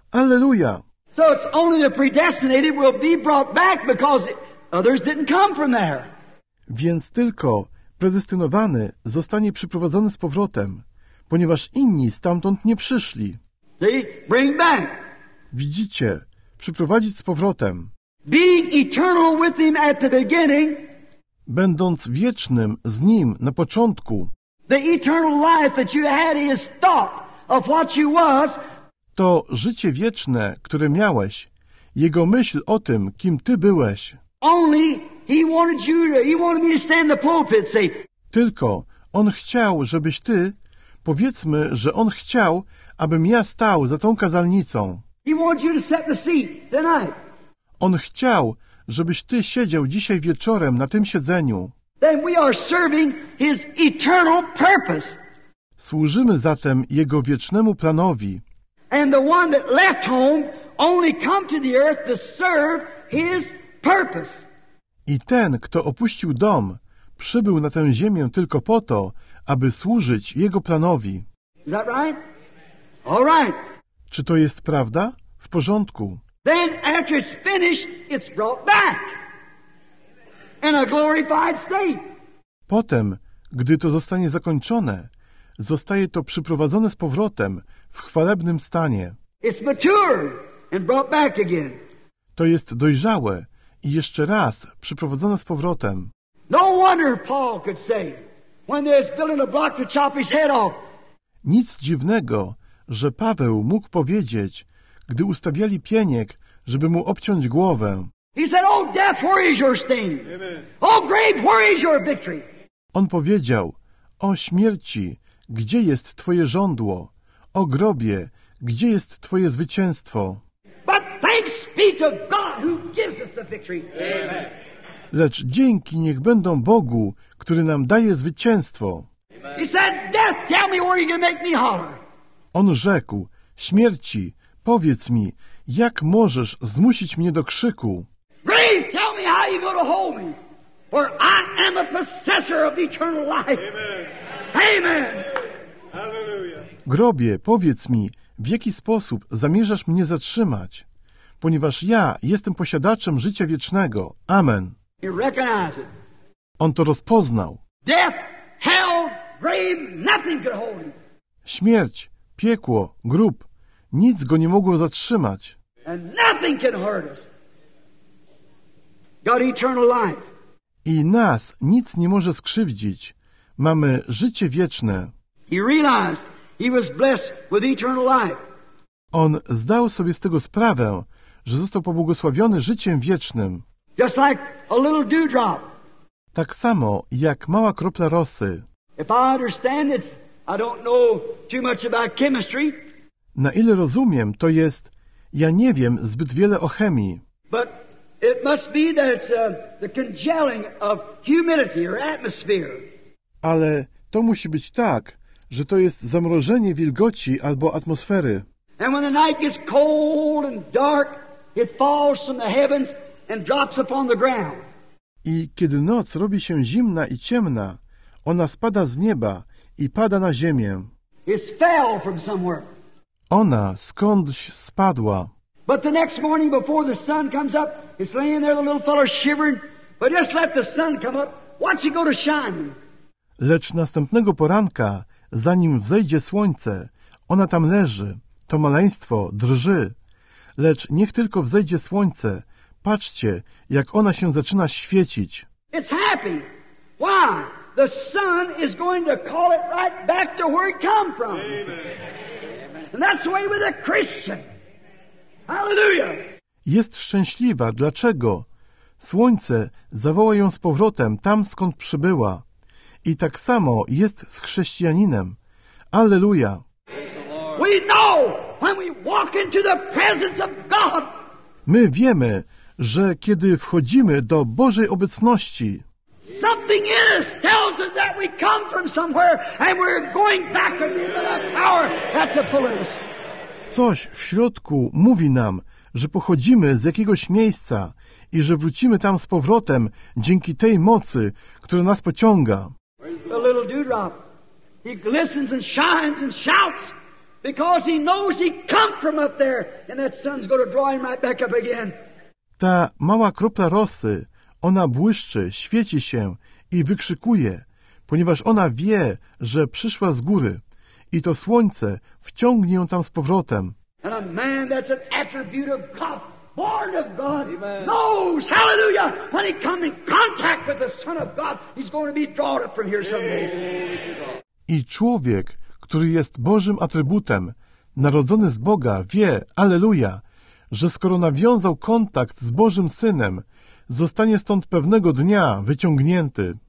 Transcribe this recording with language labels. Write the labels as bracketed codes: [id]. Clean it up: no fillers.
[pl] Alleluja. [en] So it's only the predestinated will be brought back because others didn't come from there. [pl] Więc tylko predestynowany zostanie przyprowadzony z powrotem, ponieważ inni stamtąd nie przyszli. [en] See? Bring back. [pl] Widzicie, przyprowadzić z powrotem. [en] Being eternal with him at the beginning. [pl] Będąc wiecznym z nim na początku. [en] The eternal life that you had is thought of what you was. [pl] To życie wieczne, które miałeś, jego myśl o tym, kim ty byłeś. [en] Only he wanted me to stand in the pulpit, say. [pl] Tylko on chciał, żebyś ty, powiedzmy, że on chciał, abym ja stał za tą kazalnicą. [en] He wanted you to set the seat tonight. [pl] On chciał, żebyś ty siedział dzisiaj wieczorem na tym siedzeniu. [en] Then we are serving his eternal purpose. [pl] Służymy zatem jego wiecznemu planowi. [en] And the one that left home only come to the earth to serve his purpose. [pl] I ten, kto opuścił dom, przybył na tę ziemię tylko po to, aby służyć jego planowi. [en] Is that right? All right. [pl] Czy to jest prawda? W porządku. [en] Then after it's finished, it's brought back in a glorified state. [pl] Potem, gdy to zostanie zakończone, zostaje to przyprowadzone z powrotem w chwalebnym stanie. [en] It's mature and brought back again. [pl] To jest dojrzałe i jeszcze raz przyprowadzone z powrotem. [en] No wonder Paul could say, when there's building a block to chop his head off. [pl] Nic dziwnego, że Paweł mógł powiedzieć, gdy ustawiali pieniek, żeby mu obciąć głowę. [en] He said, oh, death, where is your sting? Oh, grave, where is your victory? [pl] On powiedział, o śmierci, gdzie jest twoje żądło? O grobie, gdzie jest twoje zwycięstwo? [en] But thanks be to God who gives us the victory. Amen. [pl] Lecz dzięki niech będą Bogu, który nam daje zwycięstwo. Amen. [en] He said, death, tell me where you can make me holler. [pl] On rzekł, śmierci, powiedz mi, jak możesz zmusić mnie do krzyku? [en] Grave, tell me how you're going to hold me, for I am the possessor of eternal life. Amen. Amen. [pl] Grobie, powiedz mi, w jaki sposób zamierzasz mnie zatrzymać, ponieważ ja jestem posiadaczem życia wiecznego. Amen. [en] You recognize it. [pl] On to rozpoznał. [en] Death, hell, grave, nothing could hold him. [pl] Śmierć, piekło, grób. Nic go nie mogło zatrzymać. [en] And nothing can hurt us. Got eternal life. [pl] I nas nic nie może skrzywdzić. Mamy życie wieczne. [en] He realized he was blessed with eternal life. [pl] On zdał sobie z tego sprawę, że został pobłogosławiony życiem wiecznym. [en] Just like a little dewdrop. [pl] tak samo jak mała kropla rosy. [en] If I understand it, I don't know too much about chemistry. [pl] Na ile rozumiem, to jest, ja nie wiem zbyt wiele o chemii. [en] But it must be that it's the congealing of humidity or atmosphere. [pl] Ale to musi być tak, że to jest zamrożenie wilgoci albo atmosfery. [en] And when the night gets cold and dark, it falls from the heavens and drops upon the ground. [pl] I kiedy noc robi się zimna i ciemna, ona spada z nieba i pada na ziemię. [en] It fell from somewhere. [pl] Ona skądś spadła. [en] But the next morning before the sun comes up, it's laying there, the little fellow shivering. But just let the sun come up, watch it go to shine. [pl] Lecz następnego poranka, zanim wzejdzie słońce, ona tam leży. To maleństwo drży. Lecz niech tylko wzejdzie słońce. Patrzcie, jak ona się zaczyna świecić. [en] It's happy. Why? The sun is going to call it right back to where it come from. Amen. And that's the way with a Christian. Hallelujah. [pl] Jest szczęśliwa. Dlaczego? Słońce zawoła ją z powrotem tam, skąd przybyła. I tak samo jest z chrześcijaninem. Alleluja. [en] We know when we walk into the presence of God. [pl] My wiemy, że kiedy wchodzimy do Bożej obecności, [en] something in us tells us that we come from somewhere and we're going back into the power that's upon us. [pl] Coś w środku mówi nam, że pochodzimy z jakiegoś miejsca i że wrócimy tam z powrotem dzięki tej mocy, która nas pociąga. [en] The little dewdrop, he glistens and shines and shouts because he knows he come from up there and that sun's going to draw him right back up again. [pl] Ta mała kropla rosy, ona błyszczy, świeci się i wykrzykuje, ponieważ ona wie, że przyszła z góry i to słońce wciągnie ją tam z powrotem. [en] And a man that's an attribute of God, born of God, amen, knows, hallelujah, when he comes in contact with the Son of God, he's going to be drawn up from here someday. [pl] I człowiek, który jest Bożym atrybutem, narodzony z Boga, wie, alleluja, że skoro nawiązał kontakt z Bożym Synem, zostanie stąd pewnego dnia wyciągnięty.